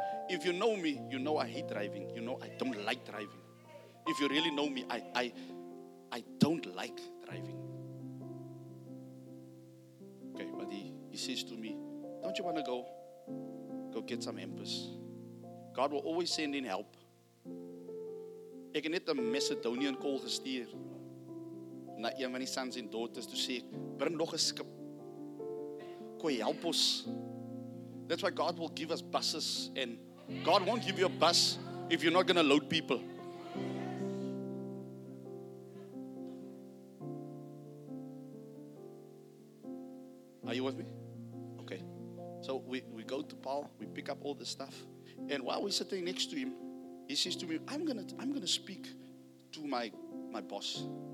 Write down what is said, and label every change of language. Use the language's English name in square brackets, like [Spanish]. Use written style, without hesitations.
[English] If you know me, you know I hate driving. You know I don't like driving. If you really know me, I don't like driving. Okay, but he says to me, don't you want to go get some hampers? God will always send in help. [Afrikaans] Ek het 'n Macedonian call gestuur na een van die sons en dogters [English] to say, [Afrikaans] bring nog 'n skip. Kom help ons. [English] That's why God will give us buses, and God won't give you a bus if you're not going to load people. Are you with me? Okay. So we go to Paul, we pick up all the stuff, and while we're sitting next to him, he says to me, I'm gonna speak to my boss.